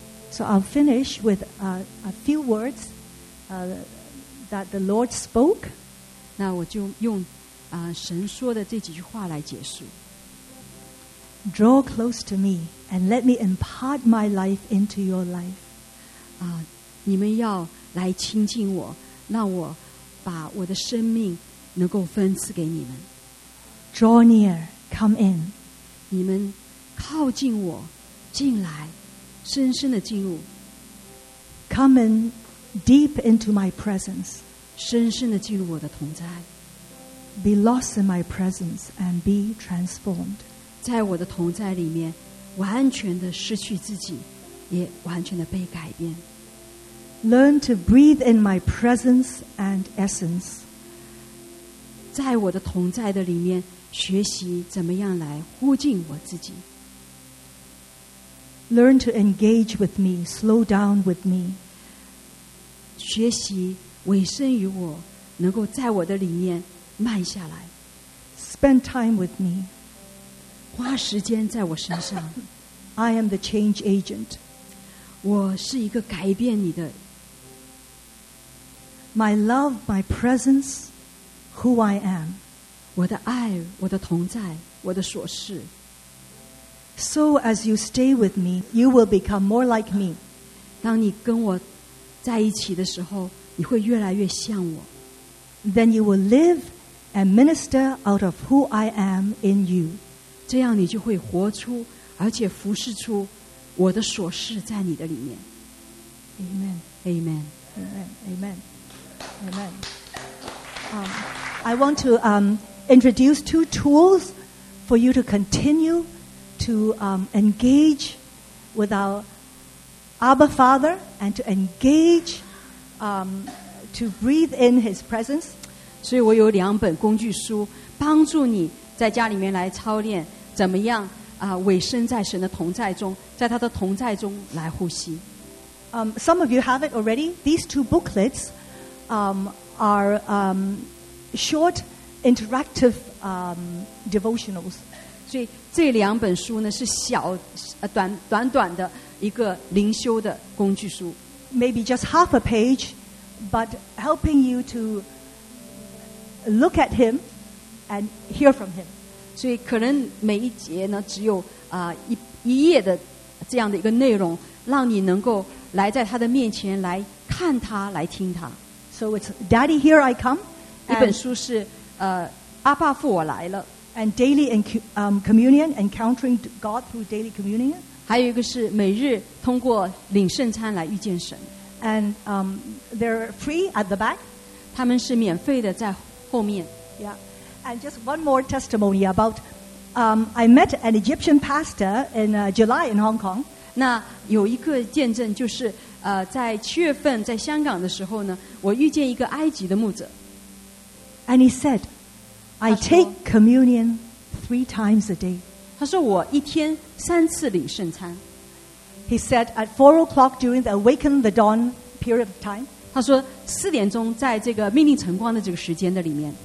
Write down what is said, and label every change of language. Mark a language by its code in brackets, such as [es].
[en] So I'll finish with a few words that the Lord spoke. [zh] 那我就用 神说的这几句话来结束。 [en] Draw close to me and let me impart my life into your life. [zh] 你们要来亲近我, 让我把我的生命能够分赐给你们。 [en] Draw near, come in. [zh] 你们靠近我, 进来, 深深地进入。 [en] Come in deep into my presence. [zh] 深深地进入我的同在。 [en] Be lost in my presence and be transformed. [zh] 在我的同在里面, 完全地失去自己, 也完全地被改变。 [en] Learn to breathe in my presence and essence. [zh] 在我的同在的里面, 学习怎么样来呼进我自己。 [en] Learn to engage with me, slow down with me. [zh] 学习委身于我, 能够在我的里面慢下来。 [en] Spend time with me. [zh] 花时间在我身上。 [en] I am the change agent. [zh] 我是一个改变你的。 [en] My love, my presence, who I am. [zh] 我的爱, 我的同在, 我的所事。 [en] So as you stay with me, you will become more like me. [zh] 当你跟我在一起的时候, 你会越来越像我。 [en] Then you will live and minister out of who I am in you. [zh] 这样你就会活出, 而且服侍出我的所事在你的里面。 [en] Amen. Amen. Amen. Amen. Amen. I want to introduce two tools for you to continue to engage with our Abba Father and to engage to breathe in His presence. [zh] 所以我有两本工具书, 帮助你在家里面来操练, 怎么样, 委身在神的同在中, 在他的同在中来呼吸。 [en] Some of you have it already. These two booklets are short interactive devotionals. [zh] 所以这两本书呢是小短短的一个灵修的工具书。 [en] Maybe just half a page, but helping you to look at him and hear from him. [zh] 所以可能每一节呢只有一页的这样的一个内容, 让你能够来在他的面前来看他,来听他。 [en] So it's Daddy, Here I Come. [zh] 一本书是, 阿爸父我来了。 [en] And daily communion, encountering God through daily communion. [zh] 还有一个是每日通过领圣餐来遇见神。 [en] And they're free at the back. [zh] 他们是免费的在后面。 Yeah. [en] And just one more testimony about I met an Egyptian pastor in July in Hong Kong. [zh] 那有一个见证就是 在7月份在香港的时候呢, 我遇见一个埃及的牧者。 [en] And he said, I take communion three times a day. [zh] 他说我一天三次领圣餐。 [en] He said at 4 o'clock during the awaken the dawn period of time. [zh] 他说4点钟在这个命令晨光的这个时间的里面。